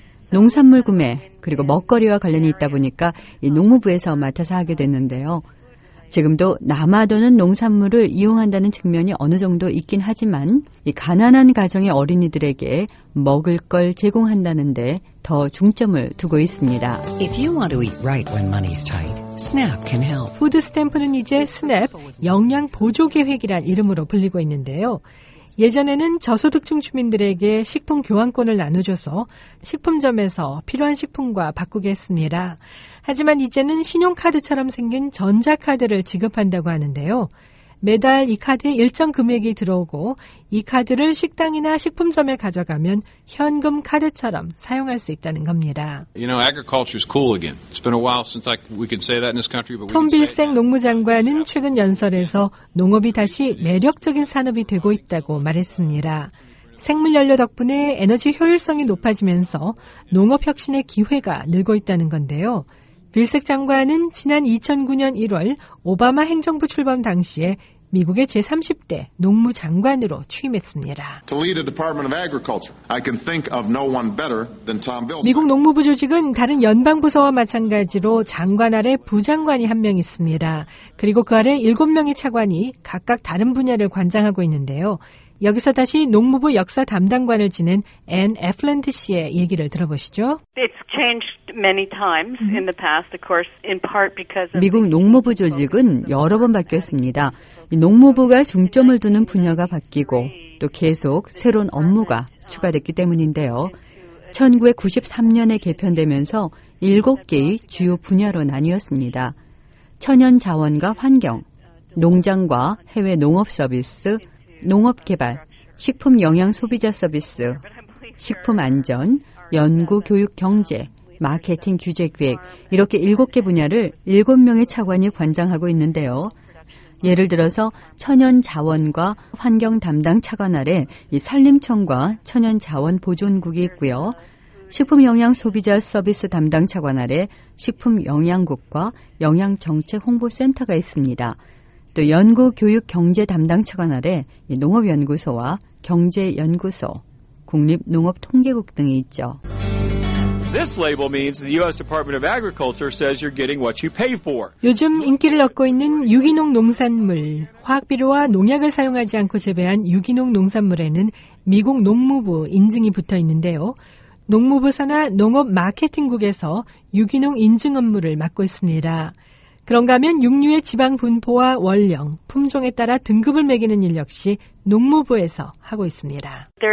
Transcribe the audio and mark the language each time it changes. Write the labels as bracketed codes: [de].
[ko] 농산물 구매, 그리고 먹거리와 관련이 있다 보니까 이 농무부에서 맡아서 하게 됐는데요. 지금도 남아도는 농산물을 이용한다는 측면이 어느 정도 있긴 하지만 이 가난한 가정의 어린이들에게 먹을 걸 제공한다는 데 더 중점을 두고 있습니다. [en] If you want to eat right when money's tight, SNAP can help. [ko] 푸드스탬프는 이제 SNAP, 영양보조계획이란 이름으로 불리고 있는데요. 예전에는 저소득층 주민들에게 식품 교환권을 나눠줘서 식품점에서 필요한 식품과 바꾸게 했습니다. 하지만 이제는 신용카드처럼 생긴 전자카드를 지급한다고 하는데요. 매달 이 카드에 일정 금액이 들어오고 이 카드를 식당이나 식품점에 가져가면 현금 카드처럼 사용할 수 있다는 겁니다. [en] You know, agriculture's cool again. It's been a while since we can say that in this country. [ko] 톰 빌생 농무장관은 최근 연설에서 농업이 다시 매력적인 산업이 되고 있다고 말했습니다. 생물연료 덕분에 에너지 효율성이 높아지면서 농업 혁신의 기회가 늘고 있다는 건데요. 빌색 장관은 지난 2009년 1월 오바마 행정부 출범 당시에 미국의 제30대 농무장관으로 취임했습니다. [en] To lead a Department of Agriculture, I can think of no one better than Tom Vilsack. [ko] 미국 농무부 조직은 다른 연방부서와 마찬가지로 장관 아래 부장관이 한 명 있습니다. 그리고 그 아래 7명의 차관이 각각 다른 분야를 관장하고 있는데요. 여기서 다시 농무부 역사 담당관을 지낸 앤 애플랜트 씨의 얘기를 들어보시죠. [en] It's changed many times in the past, of course, in part because of [ko] 미국 농무부 조직은 여러 번 바뀌었습니다. 농무부가 중점을 두는 분야가 바뀌고 또 계속 새로운 업무가 추가됐기 때문인데요. 1993년에 개편되면서 7개의 주요 분야로 나뉘었습니다. 천연 자원과 환경, 농장과 해외 농업 서비스, 농업개발, 식품영양소비자서비스, 식품안전, 연구교육경제, 마케팅규제기획 이렇게 7개 분야를 7명의 차관이 관장하고 있는데요. 예를 들어서 천연자원과 환경담당 차관 아래 산림청과 천연자원보존국이 있고요. 식품영양소비자서비스 담당 차관 아래 식품영양국과 영양정책홍보센터가 있습니다. 또 연구 교육 경제 담당 차관 아래 농업 연구소와 경제 연구소, 국립 농업 통계국 등이 있죠. [en] This label means the US Department of Agriculture says you're getting what you pay for. [ko] 요즘 인기를 얻고 있는 유기농 농산물, 화학 비료와 농약을 사용하지 않고 재배한 유기농 농산물에는 미국 농무부 인증이 붙어 있는데요. 농무부 산하 농업 마케팅국에서 유기농 인증 업무를 맡고 있습니다. 그런가 하면 육류의 지방 분포와 원령, 품종에 따라 등급을 매기는 일 역시 농무부에서 하고 있습니다.